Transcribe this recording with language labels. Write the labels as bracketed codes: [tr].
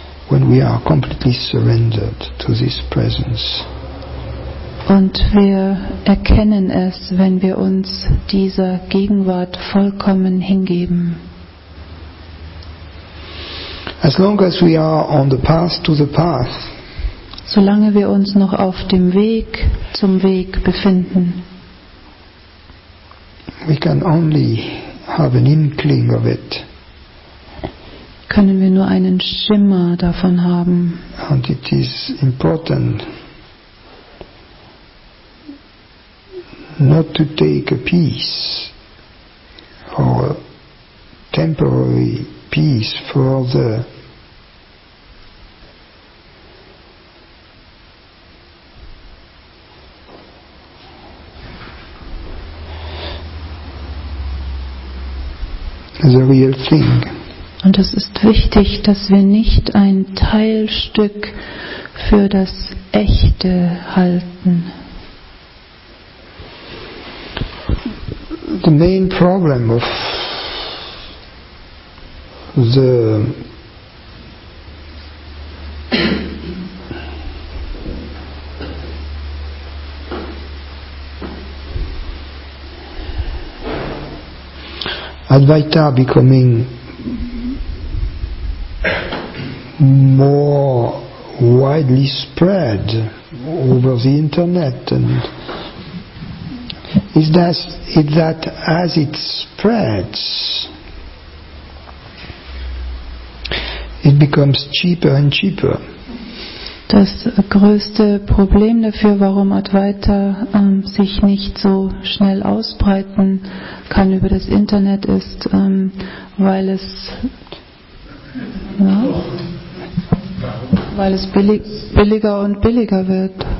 [en] When we are completely surrendered to this presence. [de] Und wir erkennen es, wenn wir uns dieser Gegenwart vollkommen hingeben. [en] As long as we are on the path to the path, [de] solange wir uns noch auf dem Weg zum Weg befinden, [en] we can only have an inkling of it. [de] Können wir nur einen Schimmer davon haben. [en] And it is important not to take a peace or a temporary peace for the real thing. [de] Und es ist wichtig, dass wir nicht ein Teilstück für das Echte halten. [en] The main problem of the Advaita becoming more widely spread over the internet, and is that as it spreads, it becomes cheaper and cheaper. [de] Das größte Problem dafür, warum Advaita sich nicht so schnell ausbreiten kann über das Internet, ist, weil es billiger und billiger wird.